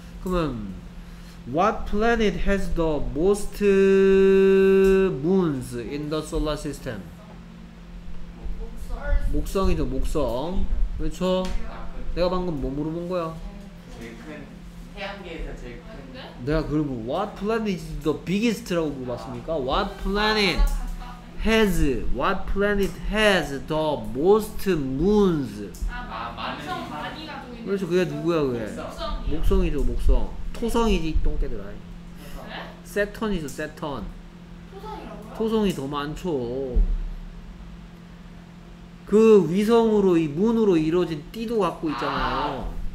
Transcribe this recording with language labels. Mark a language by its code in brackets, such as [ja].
[en] 그러면 What planet has the most moons in the solar system? [ko] 목성이죠, 목성. 그렇죠? 내가 방금 뭐 물어본 거야? 제일 큰 태양계에서 제일 큰. 내가 그러면 [en] What planet is the biggest라고 [ko] 물어봤습니까? [en] What planet has What planet has the most moons? [ko] 아, 목성 많이 가지고 있는. 그렇죠, 그게 누구야 그게? 목성이요. 목성이죠, 목성. 토성이지 똥개들아. 네? 세턴이죠, 세턴. 토성이라고요? 토성이 더 많죠. 그 위성으로 이 문으로 이루어진 띠도 갖고 있잖아요.